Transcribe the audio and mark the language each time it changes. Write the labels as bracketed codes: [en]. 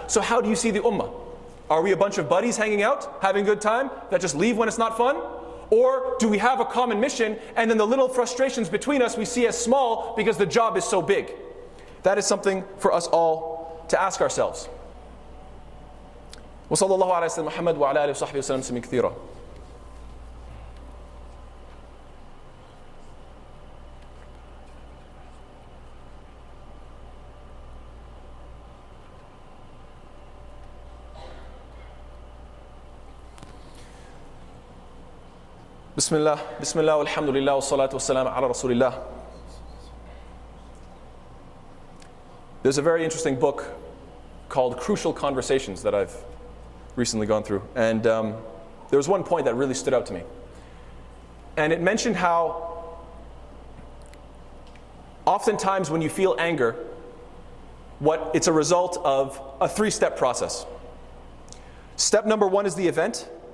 [en] So how do you see the ummah? Are we a bunch of buddies hanging out, having a good time, that just leave when it's not fun? Or do we have a common mission, and then the little frustrations between us we see as small because the job is so big? That is something for us all to ask ourselves. [ar] وصلى الله على سيدنا محمد وعلى محمد وعلى آله وصحبه وسلم سلم كثيرا. بسم الله بسم الله والحمد لله والصلاة والسلام على رسول الله. [en] There's a very interesting book called Crucial Conversations that I've recently gone through, and there was one point that really stood out to me, and it mentioned how oftentimes when you feel anger, what it's a result of a three-step process. Step number one is the event,